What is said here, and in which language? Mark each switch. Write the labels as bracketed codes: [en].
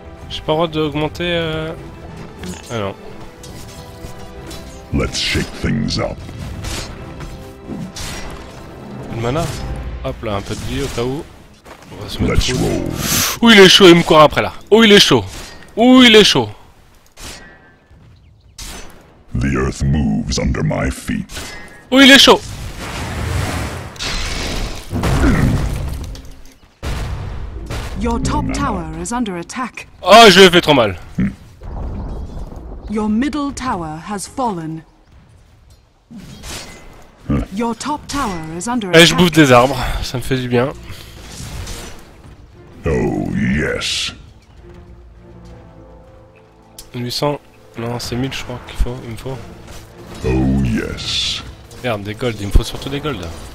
[fr] J'ai pas le droit d'augmenter. Ah non. [en] Let's shake things up! [fr] Une mana? Hop là, un peu de vie au cas où. On va se mettre. [en] Let's roll. [fr] Ouh, il est chaud, il me court après là. Ouh, il est chaud. Ouh, il est chaud. [en] The earth moves under my feet. [fr] Ouh, il est chaud. [en] Your top tower is under attack. [fr] Ah, je lui ai fait trop mal. [en] Your middle tower has fallen. Your top tower is under attack. [fr] Et je bouffe des arbres, ça me fait du bien. [en] Oh yes. [fr] 800. Non, c'est 1000 je crois qu'il faut, il me faut. [en] Oh yes. [fr] Merde, des golds, il me faut surtout des golds.